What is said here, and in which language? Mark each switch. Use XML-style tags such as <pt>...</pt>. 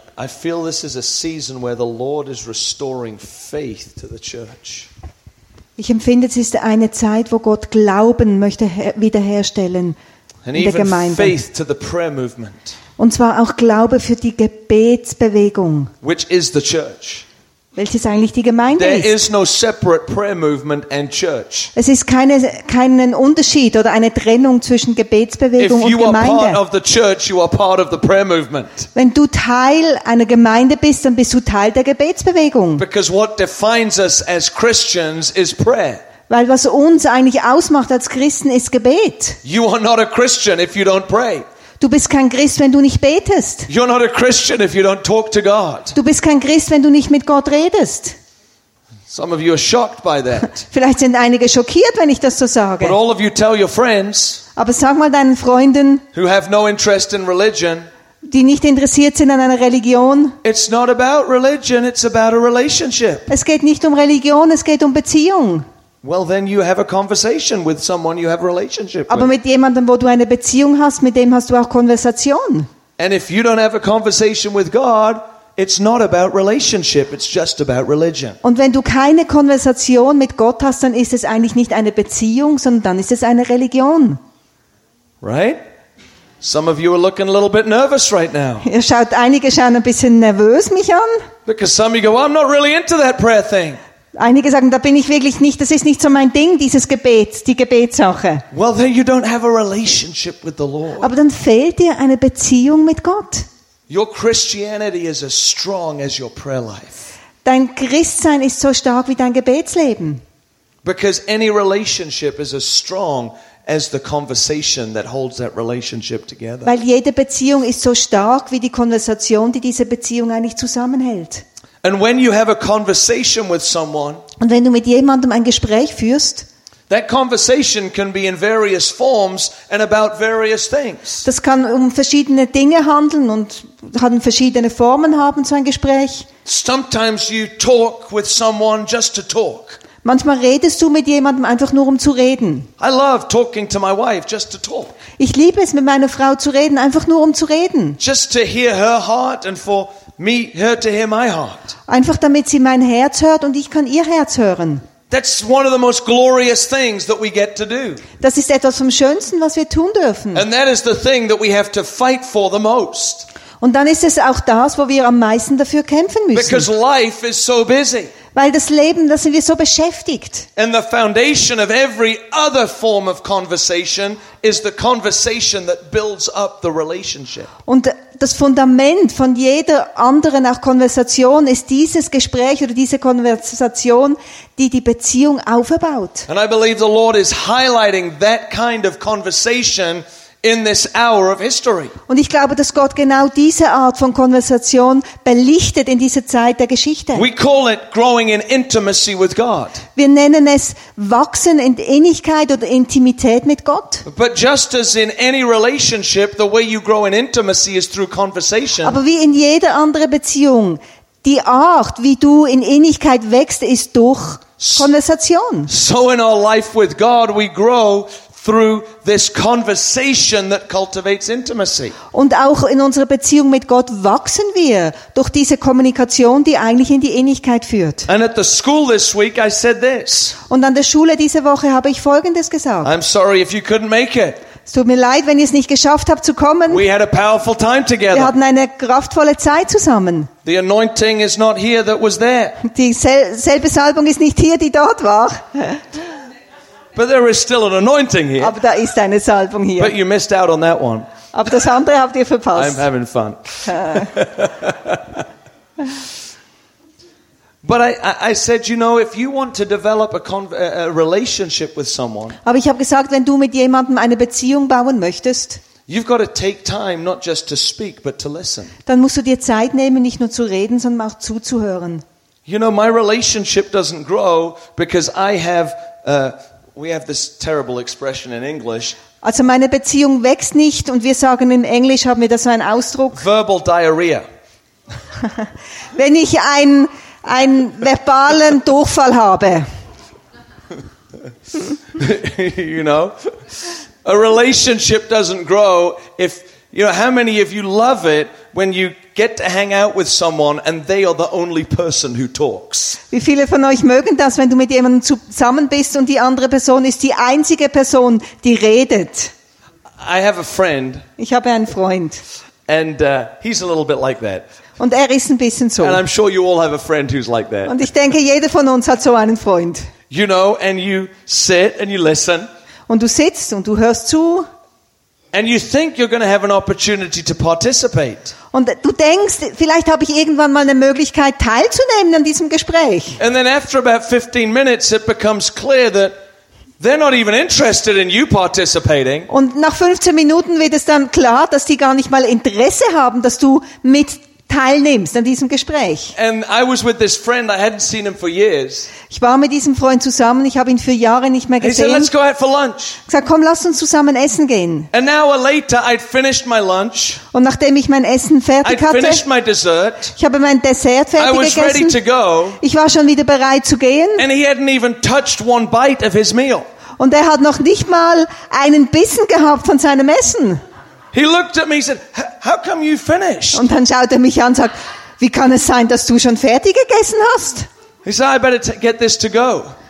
<en>I feel this is a season where the Lord is restoring faith to the church.</en> <de>Ich empfinde, es ist eine Zeit, wo Gott Glauben möchte wiederherstellen in der Gemeinde.</de> <en>And even faith to the prayer movement.</en> <de>Und zwar auch Glaube für die Gebetsbewegung.</de> <en>Which is the church.</en> <de>Welches eigentlich die Gemeinde</de> <en>There</en> <de>ist.</de> <en>Is no separate prayer movement and church.</en> <de>Es ist keinen Unterschied oder eine Trennung zwischen Gebetsbewegung</de> <en>If you</en> <de>und Gemeinde.</de> <en>Are part of the church, you are part of the prayer movement.</en> <de>Wenn du Teil einer Gemeinde bist, dann bist du Teil der Gebetsbewegung.</de> <en>Because what defines us as Christians is prayer.</en> <de>Weil was uns eigentlich ausmacht als Christen ist Gebet.</de> <en>You are not a Christian if you don't pray.</en> <de>Du bist kein Christ, wenn du nicht betest.</de> <en>You're not a Christian if you don't talk to God.</en> <de>Du bist kein Christ, wenn du nicht mit Gott redest.</de> <en>Some of you are shocked by that.</en> <de>Vielleicht sind einige schockiert, wenn ich das so sage.</de> <en>But all of you tell your friends,</en> <de>aber sag mal deinen Freunden,</de> <en>who have no interest in religion,</en> <de>die nicht interessiert sind an einer Religion,</de> <en>it's not about religion, it's about a relationship.</en> <de>Es geht nicht um Religion, es geht um Beziehung.</de> <en>Well, then you have a conversation with someone you have a relationship with.</en> <de>Aber mit jemandem, wo du eine Beziehung hast, mit dem hast du auch Konversation.</de> <en>And if you don't have a conversation with God, it's not about relationship, it's just about religion.</en> <de>Und wenn du keine Konversation mit Gott hast, dann ist es eigentlich nicht eine Beziehung, sondern dann ist es eine Religion.</de> <en>Right? Some of you are looking a little bit nervous right now.</en> <de>Ihr schaut, einige schauen ein bisschen nervös mich an.</de> <en>Because some of you go, well, I'm not really into that prayer thing.</en> <de>Einige sagen, da bin ich wirklich nicht, das ist nicht so mein Ding, dieses Gebet, die Gebetssache.</de> <en>Well, then you don't have a relationship with the Lord.</en> <de>Aber dann fehlt dir eine Beziehung mit Gott.</de> <en>Your Christianity is as strong as your prayer life.</en> <de>Dein Christsein ist so stark wie dein Gebetsleben.</de> <en>Because any relationship is as strong as the conversation that holds that relationship together.</en> <de>Weil jede Beziehung ist so stark wie die Konversation, die diese Beziehung eigentlich zusammenhält.</de> <en>And when you have a conversation with someone,</en> <de>Und wenn du mit jemandem ein Gespräch führst,</de> <en>that conversation can be in various forms and about various things.</en> <de>Das kann um verschiedene Dinge handeln und kann verschiedene Formen haben, so ein Gespräch.</de> <en>Sometimes you talk with someone just to talk.</en> <de>Manchmal redest du mit jemandem einfach nur um zu reden.</de> <en>I love talking to my wife just to talk.</en> <de>Ich liebe es mit meiner Frau zu reden, einfach nur um zu reden.</de> <en>Just to hear her heart and for me her to hear my heart.</en> <de>Einfach damit sie mein Herz hört und ich kann ihr Herz hören.</de> <en>That's one of the most glorious things that we get to do.</en> <de>Das ist etwas vom Schönsten, was wir tun dürfen.</de> <en>And that is the thing that we have to fight for the most.</en> <de>Und dann ist es auch das, wo wir am meisten dafür kämpfen müssen.</de> <en>Because life is so busy.</en> <de>Weil das Leben, da sind wir so beschäftigt.</de> <en>And the foundation of every other form of conversation is the conversation that builds up the relationship.</en> <de>Und das Fundament von jeder anderen auch Konversation ist dieses Gespräch oder diese Konversation, die die Beziehung aufbaut.</de> <en>And I believe the Lord is highlighting that kind of conversation in this hour of history.</en> <de>Und ich glaube, dass Gott genau diese Art von Konversation belichtet in dieser Zeit der Geschichte.</de> <en>We call it growing in intimacy with God.</en> <de>Wir nennen es wachsen in Innigkeit oder Intimität mit Gott.</de> <en>But just as in any relationship, the way you grow in intimacy is through conversation.</en> <de>Aber wie in jeder andere Beziehung, die Art, wie du in Innigkeit wächst, ist durch Konversation.</de> <en>So in our life with God, we grow through this conversation that cultivates intimacy.</en> <de>Und auch in unserer Beziehung mit Gott wachsen wir durch diese Kommunikation, die eigentlich in die Innigkeit führt.</de> <en>And at the school this week I said this.</en> <de>Und an der Schule diese Woche habe ich Folgendes gesagt.</de> <en>I'm sorry if you couldn't make it.</en> <de>Es tut mir leid, wenn ihr es nicht geschafft habt zu kommen.</de> <en>We had a powerful time together.</en> <de>Wir hatten eine kraftvolle Zeit zusammen.</de> <en>The anointing is not here that was there.</en> <de>Die selbe Salbung ist nicht hier, die dort war.</de> <en>But there is still an anointing here.</en> <de>Aber da ist eine Salbung hier.</de> <en>But you missed out on that one.</en> <de>Aber das andere habt ihr verpasst.</de> <en>I'm having fun. But I said, you know, if you want to develop a relationship with someone.</en> <de>Aber ich habe gesagt, wenn du mit jemandem eine Beziehung bauen möchtest.</de> <en>You've got to take time not just to speak but to listen.</en> <de>Dann musst du dir Zeit nehmen, nicht nur zu reden, sondern auch zuzuhören.</de> <en>You know, my relationship doesn't grow because I have we have this terrible expression in English.</en> <de>Also meine Beziehung wächst nicht und wir sagen in Englisch haben wir das so einen Ausdruck.</de> <en>Verbal diarrhea.</en> <de>Wenn ich einen verbalen Durchfall habe.</de> <en>You know, a relationship doesn't grow if you know how many of you love it when you get to hang out with someone and they are the only person who talks.</en> <de>Wie viele von euch mögen das, wenn du mit jemandem zusammen bist und die andere Person ist die einzige Person, die redet?</de> <en>I have a friend.</en> <de>Ich habe einen Freund.</de> <en>And he's a little bit like that.</en> <de>Und er ist ein bisschen so.</de> <en>And I'm sure you all have a friend who's like that.</en> <de>Und ich denke, jeder von uns hat so einen Freund.</de> <en>You know, and you sit and you listen.</en> <de>Und du sitzt und du hörst zu.</de> <en>And you think you're going to have an opportunity to participate.</en> <de>Und du denkst, vielleicht habe ich irgendwann mal eine Möglichkeit teilzunehmen an diesem Gespräch.</de> <en>And then after about 15 minutes it becomes clear that they're not even interested in you participating.</en> <de>Und nach 15 Minuten wird es dann klar, dass die gar nicht mal Interesse haben, dass du mit teilnimmst an diesem Gespräch.</de> <en>And I was with this friend, I hadn't seen him for years.</en> <de>Ich war mit diesem Freund zusammen, ich habe ihn für Jahre nicht mehr gesehen.</de> <en>He said, "Let's go out for lunch."</en> <de>Ich sag, komm, lass uns zusammen essen gehen.</de> <en>And an hour later I'd finished my lunch.</en> <de>Und nachdem ich mein Essen fertig hatte,</de> <en>finished my dessert.</en> <de>Ich habe mein Dessert fertig gegessen.</de> <en>I was ready to go.</en> <de>Ich war schon wieder bereit zu gehen.</de> <en>And he hadn't even touched one bite of his meal.</en> <de>Und er hat noch nicht mal einen Bissen gehabt von seinem Essen.</de> <en>He looked at me and said, "How come you finished?"</en> <de>Und dann schaut er mich an und sagt, wie kann es sein, dass du schon fertig gegessen hast?</de> <en>He said, "I better get this to go."</en>